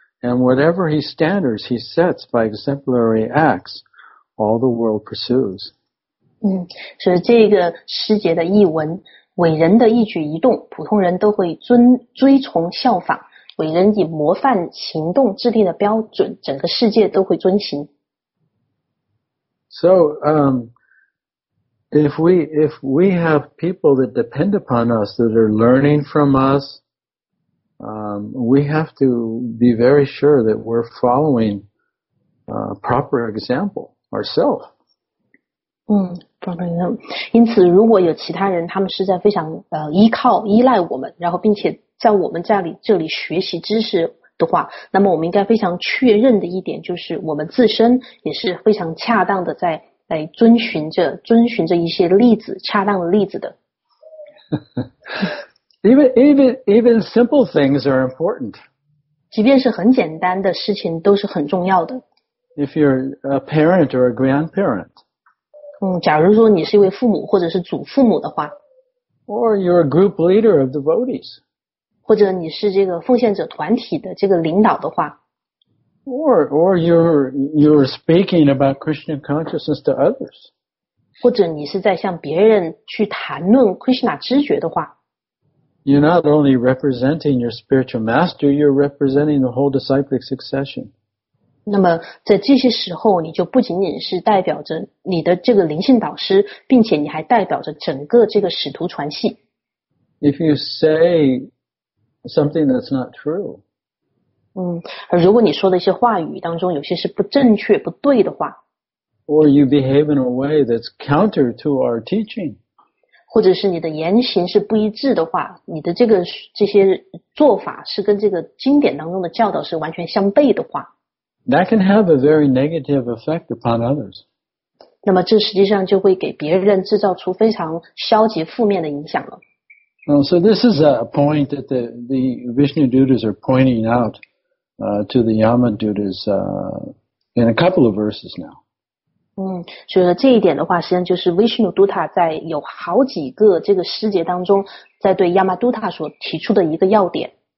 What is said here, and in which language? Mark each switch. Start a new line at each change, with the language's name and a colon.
English: And whatever he standards he sets by exemplary acts, all the world pursues.
Chinese: 所以这个诗节的译文，伟人的一举一动，普通人都会追从效仿。伟人以模范行动制定的标准，整个世界都会遵行。
English: So, if we have people that depend upon us, that are learning from us, we have to be very sure that we're following proper example ourselves. proper example.
Chinese: 因此，如果有其他人，他们是在非常依靠、依赖我们，然后并且在我们这里学习知识的话，那么我们应该非常确认的一点就是，我们自身也是非常恰当的在遵循着一些例子，恰当的例子的。
English: even simple things are important.
Chinese: 即便是很简单的事情都是很重要的。
English: If you're a parent or a grandparent.
Chinese: 假如说你是一位父母或者是祖父母的话。
English: Or you're a group leader of devotees.
Chinese: 或者你是这个奉献者团体的这个领导的话。
English: Or you're speaking about Krishna consciousness to others.
Chinese: 或者你是在向别人去谈论 Krishna 知觉的话。
English: You're not only representing your spiritual master, you're representing the whole disciplic succession.
Chinese: 那么在这些时候你就不仅仅是代表着你的这个灵性导师，并且你还代表着整个这个使徒传系。
English: If you say,something that's not true.
Chinese: 而如果你说的一些话语当中有些是不正确不对的话。
English: Or you behave in a way that's counter to our teaching.
Chinese: 或者是你的言行是不一致的话，你的这些做法是跟这个经典当中的教导是完全相悖的话。
English: That can have a very negative effect upon others.
Chinese: 那么这实际上就会给别人制造出非常消极负面的影响了。
English: So this is a point that the Vishnu Dutas are pointing out to the Yama Dutas in a couple of verses now.
Chinese: 所以说这一点的话，实际上就是 Vishnu Dutta 在有好几个这个诗节当中，在对 Yama Dutta 所提出的一个要点。